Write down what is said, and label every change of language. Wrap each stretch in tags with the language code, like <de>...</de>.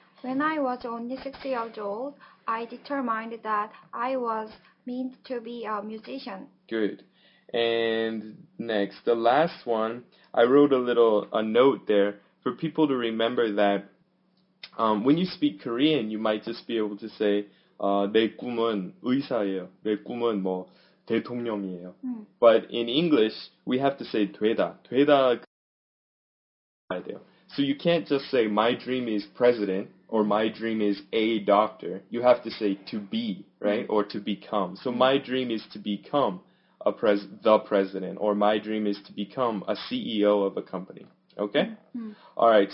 <en>When I was only 6 years old, I determined that I was meant to be a musician. Good. And next, the last one, I wrote a note there for people to remember that when you speak Korean, you might just be able to say,</en> <ko>내 꿈은 의사예요. 내 꿈은 뭐 대통령이에요.</ko> <en>But in English, we have to say 되다.</en> <ko>되다 해야 돼요.</ko> <en>So you can't just say, my dream is president, or my dream is a doctor. You have to say to be, right? Or to become. So my dream is to become the president, or my dream is to become a CEO of a company. Okay? All right.</en>